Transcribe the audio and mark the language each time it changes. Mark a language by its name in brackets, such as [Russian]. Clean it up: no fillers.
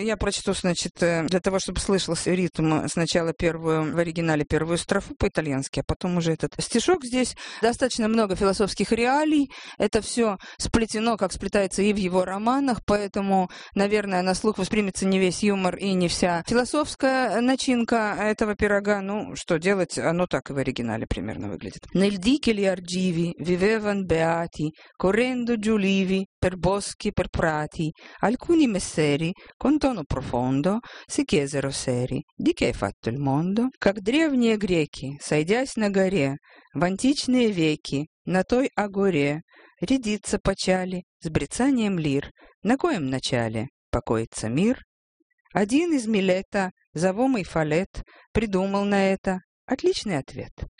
[Russian] Я прочту, значит, для того, чтобы слышался ритм, сначала первую, в оригинале первую строфу по-итальянски, а потом уже этот стишок здесь. Достаточно много философских реалий. Это все сплетено, как сплетается и в его романах, поэтому, наверное, на слух воспримется не весь юмор и не вся философская начинка этого пирога. Ну, что делать? Оно так и в оригинале примерно выглядит. [Italian] «Nel di che gli argivi vivevan beati, correndo giù l'ivi per boschi, per prati, alcuni messeri, con tono profondo, si chiesero seri, di che è fatto il mondo? [Russian] Как древние греки, сойдясь на горе, в античные веки, на той агоре, рядиться почали с брецанием лир, на коем начале покоится мир? Один из Милета, зовомый Фалет, придумал на это отличный ответ».